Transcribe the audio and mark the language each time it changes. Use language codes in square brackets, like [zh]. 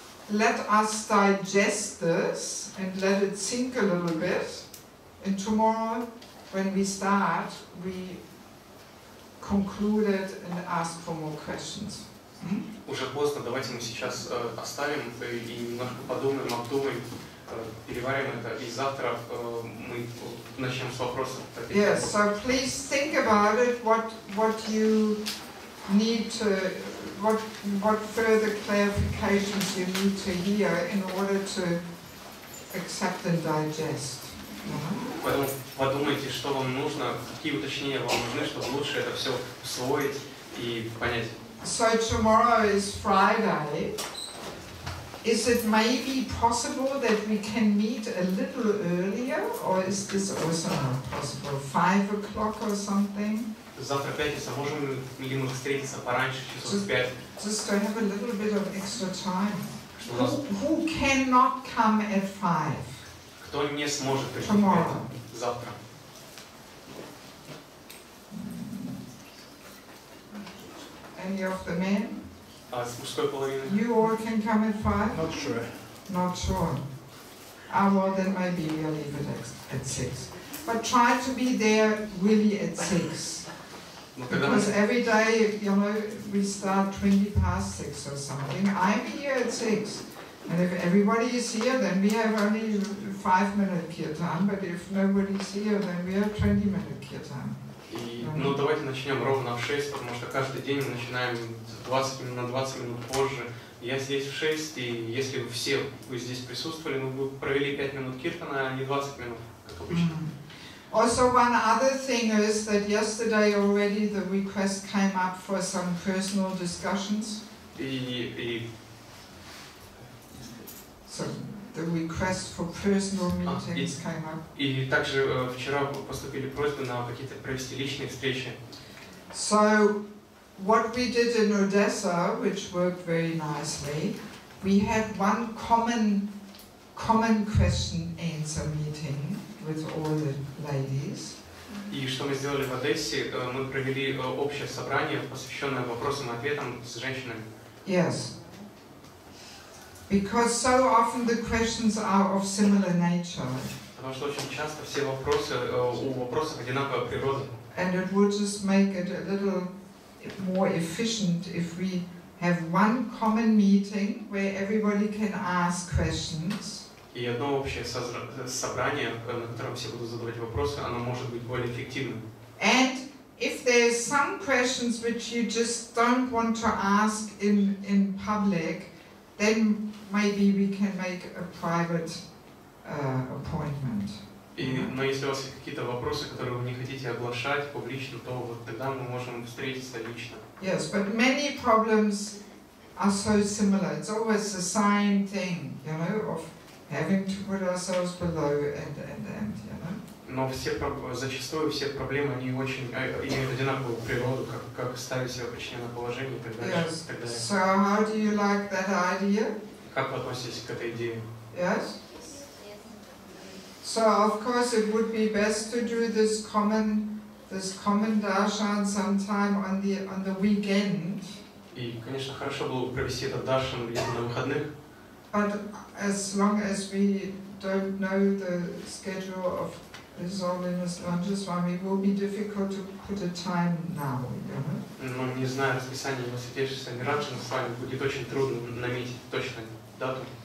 [en] Let us digest this and let it sink a little bit. And tomorrow, when we start, we concluded and ask for more questions. [ru] Уже поздно, давайте мы сейчас оставим и немножко подумаем, обдумаем, переварим это, и завтра мы начнем с вопросов. [en] Yes, so please think about it, what you need to, what further clarifications you need to hear in order to accept and digest. [ru] Поэтому подумайте, что вам нужно, какие уточнения вам нужны, чтобы лучше это все усвоить и понять. [en] So tomorrow is Friday. Is it maybe possible that we can meet a little earlier, or is this also not possible? 5 o'clock or something? [ru] Завтра пятница, можем ли мы встретиться пораньше, часов в 5? [en] Just to have a little bit of extra time. Who cannot come at 5? [ru] Кто не сможет прийти завтра? [en] Any of the men? [ru] А с мужской половины? [en] You all can come at 5? Not sure. Not sure. Ah, well, then maybe we'll leave it at 6. But try to be there really at 6. Because every day, you know, we start 20 past 6 or something. I'm here at 6. And if everybody is here, then we have only 5-minute kirtan, but if nobody's here, then we have 20-minute kirtan. [ru] Ну, давайте начнем ровно в 6, потому что каждый день мы начинаем на 20 минут позже. Я здесь в 6, и если бы все вы здесь присутствовали, мы бы провели 5 минут киртана, а не 20 минут, как обычно. [en] Also, one other thing is that yesterday already the request came up for some personal discussions. So the request for personal meetings came up. [ru] И также вчера поступили просьбы на какие-то провести личные встречи. [en] So what we did in Odessa, which worked very nicely, we had one common question answer meeting with all the ladies. [ru] И что мы сделали в Одессе? Мы провели общее собрание, посвященное вопросам и ответам с женщинами. [en] Yes. Because so often the questions are of similar nature. [ru] Потому что очень часто все вопросы у вопросов одинаковой природы. [en] And it would just make it a little more efficient if we have one common meeting where everybody can ask questions. [ru] И одно общее собрание, на котором все будут задавать вопросы, оно может быть более эффективным. [en] And if there are some questions which you just don't want to ask in public, then maybe we can make a private appointment. [ru] Но если у вас какие-то вопросы, которые вы не хотите оглашать публично, то вот тогда мы можем встретиться лично. [en] Yes, but many problems are so similar. It's always the same thing, you know, of having to put ourselves below and you know. [ru] Но все, зачастую все проблемы они очень имеют одинаковую природу, как ставить себя почти на положение и так далее. [en] Yes. So how do you like that idea? [ru] Как вы относитесь к этой идее? [en] Yes. So of course it would be best to do this common darshan sometime on the weekend. [ru] И, конечно, хорошо было бы провести этот даршан где-то на выходных. [en] But as long as we don't know the schedule of this all in this lunches one, it will be difficult to put a time now, you know? [ru] Не знаю расписание, но сидящийся Миранчан с вами будет очень трудно наметить точную дату.